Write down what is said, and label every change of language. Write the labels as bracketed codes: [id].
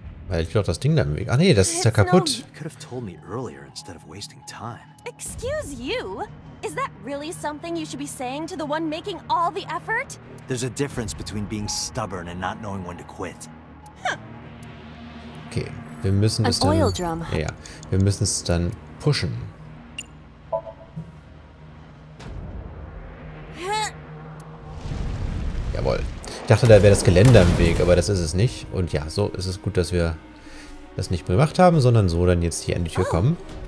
[de] Ich glaube, das Ding da im Weg. Ach nee, das ist ja kaputt. [en] You could have told me earlier instead of wasting time. Excuse you? Is that really something you should be saying to the one making all the effort? There's a difference between being stubborn and not knowing when to quit. [de] Okay, wir müssen es dann. Ja, wir müssen es dann pushen. Jawohl. Ich dachte, da wäre das Geländer im Weg, aber das ist es nicht. Und ja, so ist es gut, dass wir das nicht mehr gemacht haben, sondern so dann jetzt hier an die Tür kommen.